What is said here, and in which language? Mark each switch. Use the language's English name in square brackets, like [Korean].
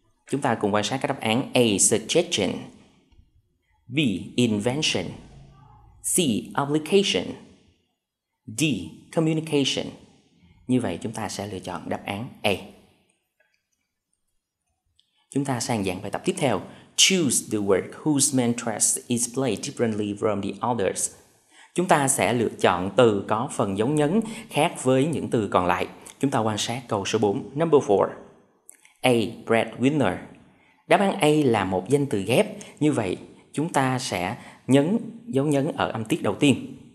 [Vietnamese] Chúng ta cùng quan sát các đáp án A, suggestion. B, invention. [English] C, application. D, communication. [Vietnamese] Như vậy, chúng ta sẽ lựa chọn đáp án A. Chúng ta sang dạng bài tập tiếp theo. [English] Choose the word whose main thrust is played differently from the others. [Vietnamese] Chúng ta sẽ lựa chọn từ có phần dấu nhấn khác với những từ còn lại. Chúng ta quan sát câu số 4. [English] Number 4. [Vietnamese] A. Breadwinner. Đáp án A là một danh từ ghép. Như vậy, chúng ta sẽ nhấn dấu nhấn ở âm tiết đầu tiên.